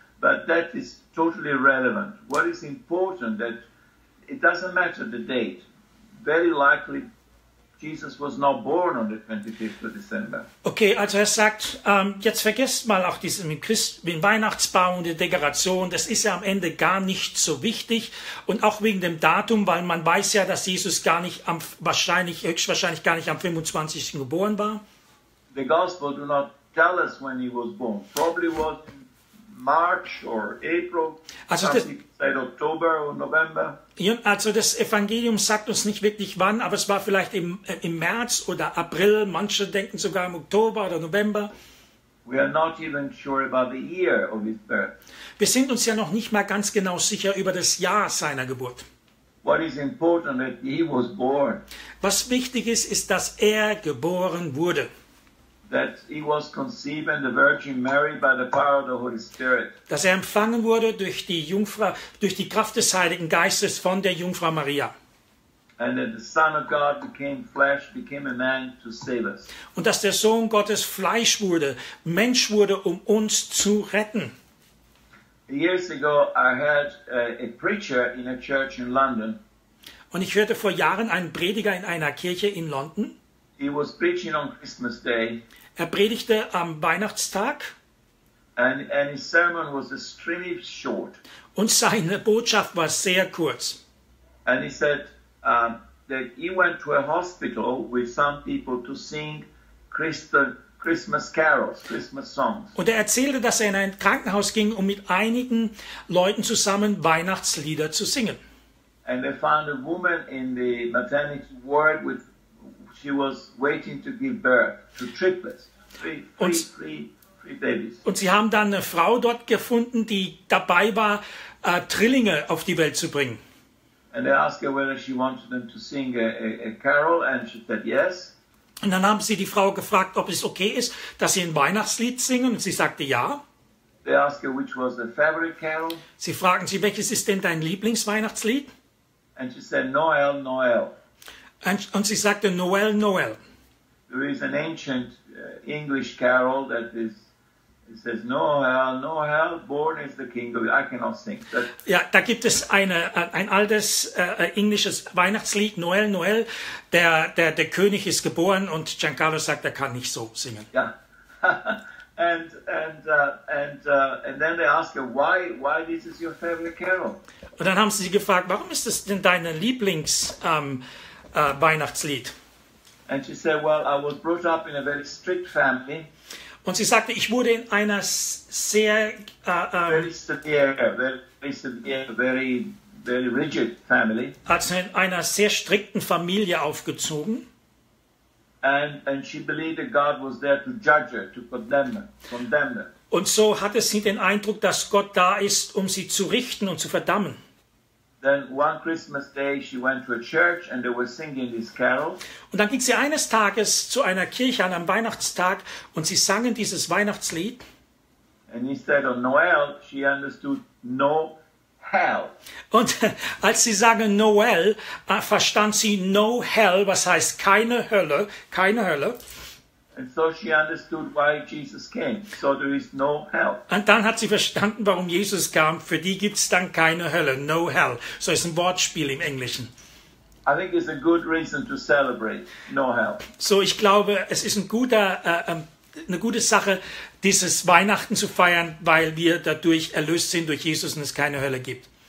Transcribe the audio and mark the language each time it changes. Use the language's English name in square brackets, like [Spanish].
[English] But that is totally irrelevant. What is important, that it doesn't matter the date. Very likely, Jesus was not born on the 25th of December. [German] Okay, also er sagt, jetzt vergesst mal auch diesen mit Weihnachtsbaum und die Dekoration. Das ist ja am Ende gar nicht so wichtig. Und auch wegen dem Datum, weil man weiß ja, dass Jesus höchstwahrscheinlich gar nicht am 25. geboren war. [English] The Gospel do not tell us when he was born. Probably was March or April, also October or November. [German] Also das Evangelium sagt uns nicht wirklich wann, aber es war vielleicht im März oder April. Manche denken sogar im Oktober oder November. [English] We are not even sure about the year of his birth. [German] Wir sind uns ja noch nicht mal ganz genau sicher über das Jahr seiner Geburt. [English] What is important, that he was born. [German] Was wichtig ist, dass er geboren wurde. [English] That he was conceived in the Virgin Mary by the power of the Holy Spirit. [German] Dass er empfangen wurde durch die Kraft des Heiligen Geistes von der Jungfrau Maria. [English] And that the Son of God became flesh, became a man to save us. [German] Und dass der Sohn Gottes Fleisch wurde, Mensch wurde, um uns zu retten. [English] Years ago, I heard a preacher in a church in London. [German] Und ich hörte vor Jahren einen Prediger in einer Kirche in London. [English] He was preaching on Christmas Day. [German] Er predigte am Weihnachtstag. [English] And his sermon was extremely short. [German] Und seine Botschaft war sehr kurz. [English] And he said that he went to a hospital with some people to sing Christmas carols, Christmas songs. [German] Und er erzählte, dass er in ein Krankenhaus ging, um mit einigen Leuten zusammen Weihnachtslieder zu singen. [English] And they found a woman in the maternity ward with. She was waiting to give birth to triplets, three babies. [German] Und sie haben dann eine Frau dort gefunden, die dabei war, Trillinge auf die Welt zu bringen. [English] And they asked her whether she wanted them to sing a carol, and she said yes. [German] Und dann haben sie die Frau gefragt, ob es okay ist, dass sie ein Weihnachtslied singen, und sie sagte ja. [English] They asked her which was the favorite carol. [German] Sie fragen sie, welches ist denn dein Lieblingsweihnachtslied? [English] And she said Noel, Noel. [German] Und sie sagte Noel, Noel. [English] There is an ancient English carol that is, it says Noel, Noel, born is the king of. I cannot sing. [German] Ja, da gibt es ein altes englisches Weihnachtslied, Noel, Noel, der König ist geboren, und Giancarlo sagt, er kann nicht so singen. Ja. [English] And then they ask her why this is your favorite carol. [German] Und dann haben sie gefragt, warum ist das denn deine Lieblings Weihnachtslied. [English] And she said, well, I was brought up in a very strict family. [German] Und sie sagte, ich wurde in einer sehr [English] very rigid family. [German] Also in einer sehr strikten Familie aufgezogen. [English] And she believed that God was there to judge her, to condemn her. [German] Und so hatte sie den Eindruck, dass Gott da ist, um sie zu richten und zu verdammen. [English] Then one Christmas day she went to a church and they were singing this carol. [German] Und dann ging sie eines Tages zu einer Kirche an einem Weihnachtstag und sie sangen dieses Weihnachtslied. [English] And instead of Noel, she understood no hell. [German] Und als sie sagen Noel, verstand sie [English] no hell, [German] was heißt keine Hölle, keine Hölle. [English] And so she understood why Jesus came. So there is no hell. [German] Und dann hat sie verstanden, warum Jesus kam. Für die gibt's dann keine Hölle. [English] No hell. [German] So ist ein Wortspiel im Englischen. [English] I think it's a good reason to celebrate. No hell. [German] So, ich glaube, es ist ein guter, eine gute Sache, dieses Weihnachten zu feiern, weil wir dadurch erlöst sind durch Jesus und es keine Hölle gibt.